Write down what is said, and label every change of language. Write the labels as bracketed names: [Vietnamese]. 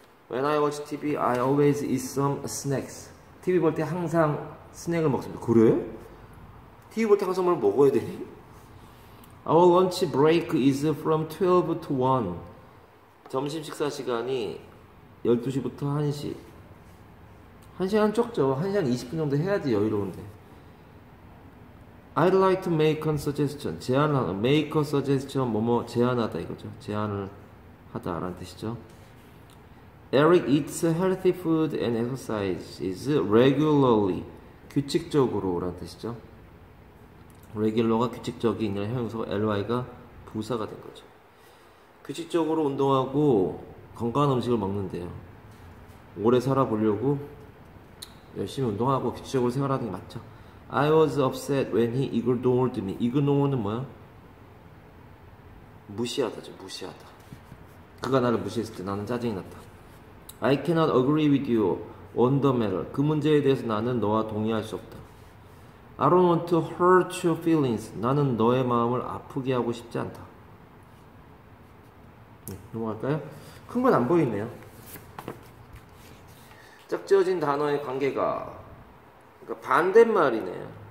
[English] When I watch TV, I always eat some snacks. [Korean] TV 볼때 항상 스낵을 먹습니다. 그래? TV 볼때 항상 뭘 먹어야 되니? [English] Our lunch break is from 12 to 1. [Korean] 점심 식사 시간이 12시부터 1시. 1시간 쪽죠. 1시간 20분 정도 해야지 여유로운데. [English] I'd like to make a suggestion. [Korean] 제안을 하 [English] make a suggestion. [Korean] 뭐뭐 제안하다 이거죠. 제안을 하다라는 뜻이죠. [English] Eric eats healthy food and exercises regularly. [Korean] 규칙적으로란 뜻이죠. Regular가 규칙적인 형용사고 ly가 부사가 된 거죠. 규칙적으로 운동하고 건강한 음식을 먹는데요. 오래 살아보려고 열심히 운동하고 규칙적으로 생활하는 게 맞죠. [English] I was upset when he ignored me. Ignore는 [Korean] 뭐야? 무시하다죠. 무시하다. 그가 나를 무시했을 때 나는 짜증이 났다. [English] I cannot agree with you on the matter. [Korean] 그 문제에 대해서 나는 너와 동의할 수 없다. [English] I don't want to hurt your feelings. [Korean] 나는 너의 마음을 아프게 하고 싶지 않다. 네, 넘어갈까요? 큰건안 보이네요. 짝지어진 단어의 관계가, 그러니까 반대말이네요.